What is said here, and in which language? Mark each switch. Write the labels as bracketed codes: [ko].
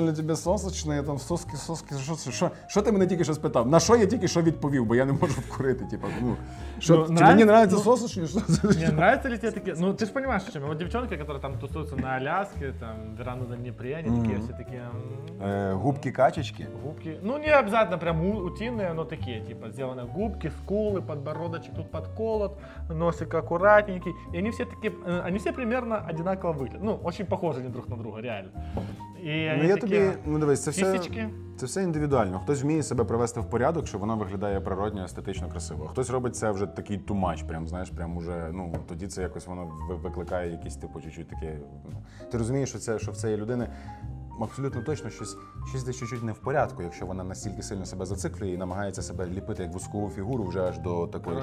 [uk] ли тебе сосочні, там соски, що це? Що ти мене тільки що спитав? На що я тільки що відповів, бо я не можу вкурити, типу, ну. Що, чи мені нравляться сосочні? Що це? Мені нравляться ли тебе такі? Ну, ти ж розумієш, що от дівчинки, які там тусуються на Аляскі, там, Верану на Дніпрі, вони такі все такі... Губки качечки? Губки, ну, не обов'язково. [ru] Прям утиные, но такие, типа, сделаны губки, скулы, подбородочек тут подколот, носик аккуратненький. И они все примерно одинаково выглядят. Ну, очень похожи они друг на друга, реально. [uk] И ну, я такие, тебе, ну, давай, це все індивідуально. Хтось вміє себе привести в порядок, що воно виглядає природньо, естетично, красиво. Хтось робить це вже такий [en] too much, [uk] прям, знаєш, прям уже, ну, тоді це якось воно викликає якийсь, типу, чуть-чуть таке. Ти розумієш, що це, що в цієї людини... Абсолютно точно щось десь чуть-чуть не в порядку, якщо вона настільки сильно себе зациклює і намагається себе ліпити як вузькову фігуру вже аж до такої